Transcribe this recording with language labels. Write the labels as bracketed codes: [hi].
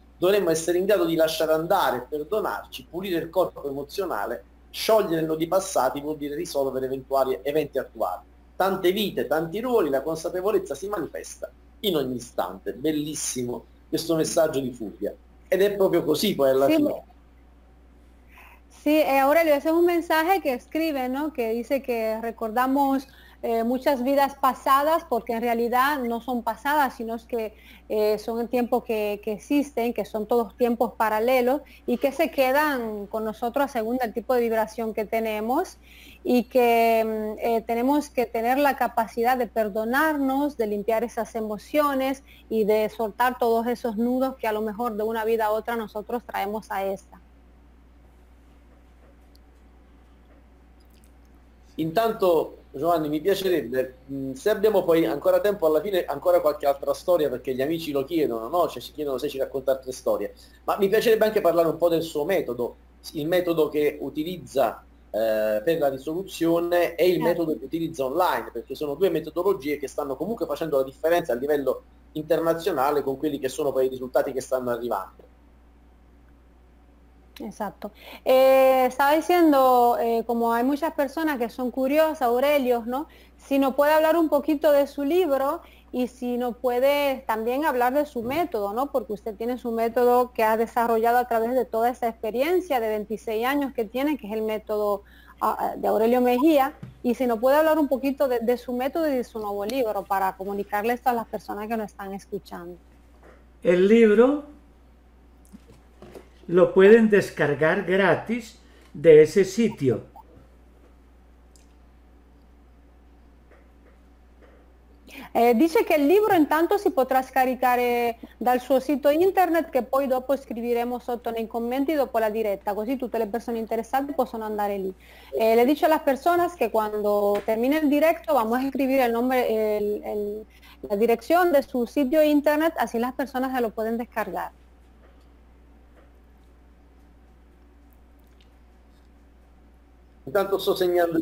[it] Dovremmo essere in grado di lasciare andare, perdonarci, pulire il corpo emozionale, sciogliere nodi passati vuol dire risolvere eventuali eventi attuali. Tante vite, tanti ruoli, la consapevolezza si manifesta in ogni istante. Bellissimo questo messaggio di Fulvia. Ed è proprio così poi alla Sì, fine. [es] Sí, Aurelio, ese es un mensaje que escribe, ¿no? Que dice que recordamos muchas vidas pasadas, porque en realidad no son pasadas, sino que son el tiempo que existen, que son todos tiempos paralelos y que se quedan con nosotros según el tipo de vibración que tenemos, y que tenemos que tener la capacidad de perdonarnos, de limpiar esas emociones y de soltar todos esos nudos que a lo mejor de una vida a otra nosotros traemos a esta. [it] Intanto, Giovanni, mi piacerebbe, se abbiamo poi ancora tempo alla fine, ancora qualche altra storia, perché gli amici lo chiedono, no? Cioè, ci chiedono se ci racconta altre storie, ma mi piacerebbe anche parlare un po' del suo metodo, il metodo che utilizza per la risoluzione e il metodo che utilizza online, perché sono due metodologie che stanno comunque facendo la differenza a livello internazionale con quelli che sono poi i risultati che stanno arrivando. [es] Exacto. Estaba diciendo, como hay muchas personas que son curiosas, Aurelio, ¿no? Si nos puede hablar un poquito de su libro y si nos puede también hablar de su método, ¿no? Porque usted tiene su método que ha desarrollado a través de toda esa experiencia de 26 años que tiene, que es el método de Aurelio Mejía, y si nos puede hablar un poquito de su método y de su nuevo libro para comunicarle esto a las personas que nos están escuchando. El libro lo pueden descargar gratis de ese sitio. Dice que el libro en tanto si podrá [it] scaricar dal suo sito internet, que poi dopo scriveremo sotto nei commenti dopo la diretta, così tutte le persone interessate possono andare lì. [es] Le he dicho a las personas que cuando termine el directo vamos a escribir el nombre, la dirección de su sitio internet, así las personas se lo pueden descargar. [it] Intanto sto segnando.